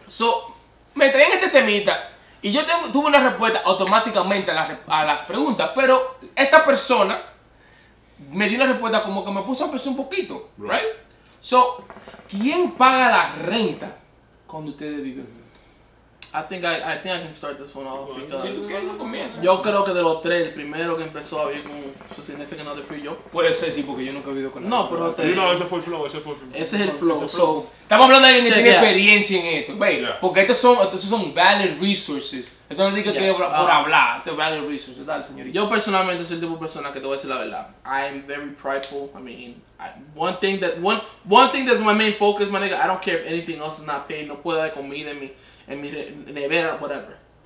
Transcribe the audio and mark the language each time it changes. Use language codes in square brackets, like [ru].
[es] So, me traen este temita. Y yo tuve una respuesta automáticamente a la pregunta. Pero esta persona me dio una respuesta como que me puso a pensar un poquito. [en] Right? [es] So, ¿quién paga la renta cuando ustedes viven juntos? [en] I think I can start this one off. [es] Yo creo que de los tres, el primero que empezó a vivir con su [en] significant other [es] fui yo. Puede ser, sí, porque yo nunca he vivido con él. No, pero no, ese fue el flow. Ese es el flow. So, estamos hablando de alguien que tiene experiencia en esto. [en] Wait, yeah. [es] Porque estos son [en] valid resources. [es] Entonces digo que por hablar, estos [en] valid resources, [es] ¿verdad, señorita? Yo personalmente soy el tipo de persona que te voy a decir la verdad. [en] I am very prideful, I mean. One thing that's my main focus, my nigga. I don't care if anything else is not paid. [es] No puedo dar comida en mi nevera, whatever.